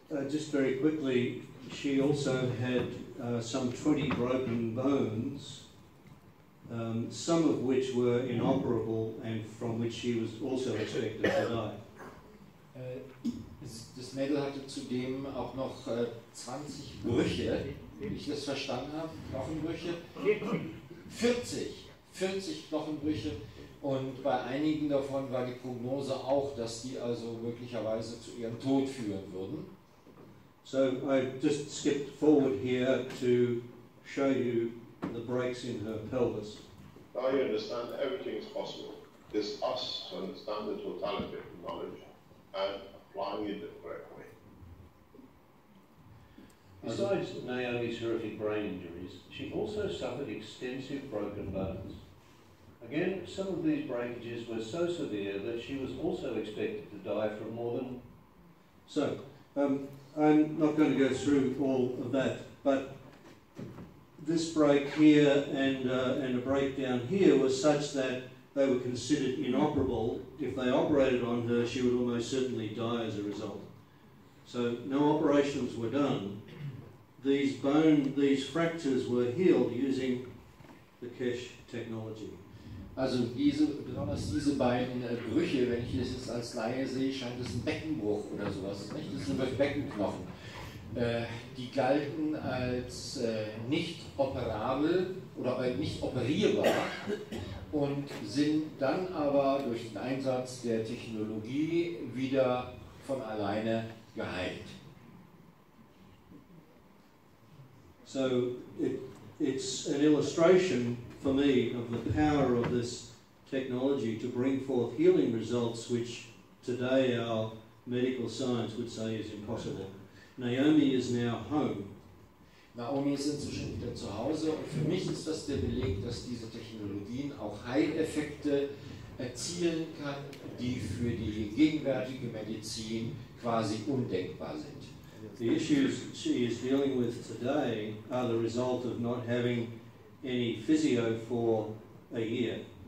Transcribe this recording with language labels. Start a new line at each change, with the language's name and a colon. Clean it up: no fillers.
English: Just very quickly, she also had some 20 broken bones, some of which were inoperable and from which she was also expected to die.
German: Das Mädel hatte zudem auch noch 20 Brüche, wie ich das verstanden habe, Knochenbrüche. 40 Knochenbrüche, und bei einigen davon war die Prognose auch, dass die also möglicherweise zu ihrem Tod führen würden.
English: So I just skipped forward here to show you the breaks in her pelvis. Now you understand everything is possible. It's us to understand the totality of knowledge and applying it the correct way. Besides Naomi's horrific brain injuries, she also suffered extensive broken bones. Again, some of these breakages were so severe that she was also expected to die from more than... So, I'm not going to go through all of that, but this break here and a breakdown here was such that they were considered inoperable. If they operated on her, she would almost certainly die as a result. So no operations were done. These fractures were healed using the Keshe technology.
German: Also diese, besonders diese beiden Brüche, wenn ich das jetzt als Laie sehe, scheint es ein Beckenbruch oder sowas, nicht? Das sind Beckenknochen. Die galten als nicht operabel oder nicht operierbar und sind dann aber durch den Einsatz der Technologie wieder von alleine geheilt.
English: So it's an illustration for me of the power of this technology to bring forth healing results, which today our medical science would say is impossible. Naomi is now home.
German: Naomi ist inzwischen wieder zu Hause, und für mich ist das der Beleg, dass diese Technologien auch Heileffekte erzielen kann, die für die gegenwärtige Medizin quasi undenkbar sind.
English: The issues she is dealing with today are the result of not having any physio for a year.